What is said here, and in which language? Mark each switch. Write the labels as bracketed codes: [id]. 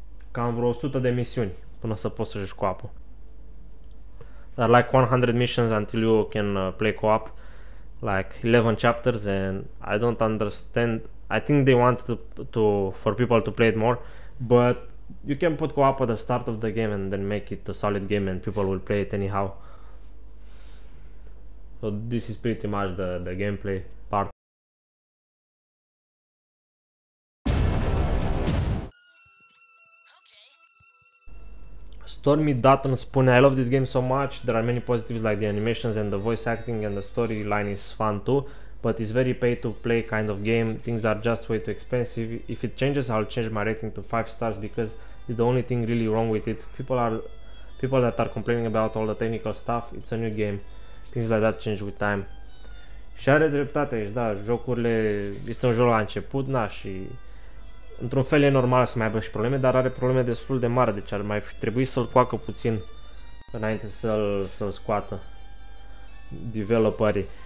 [ro] Cam vreo 100 de misiuni până să poți să joci cu apă. [en] Dar like 100 missions until you can play co-op, like 11 chapters and I don't understand. I think they wanted for people to play it more, but you can put co-op at the start of the game and then make it a solid game and people will play it anyhow. So this is pretty much the gameplay part. Stormy Dutton spune, I love this game so much. There are many positives like the animations and the voice acting and the storyline is fun too. But it's very pay to play kind of game. Things are just way too expensive. If it changes, I'll change my rating to 5 stars because it's the only thing really wrong with it. People that are complaining about all the technical stuff, it's a new game. Things like that change with time. [ro] Și are dreptate aici, da, jocurile, este un joc la început, na, și într-un fel e normal să mai aibă și probleme, dar are probleme destul de mari, deci ar mai fi trebuit să-l coacă puțin înainte să-l scoată developerii.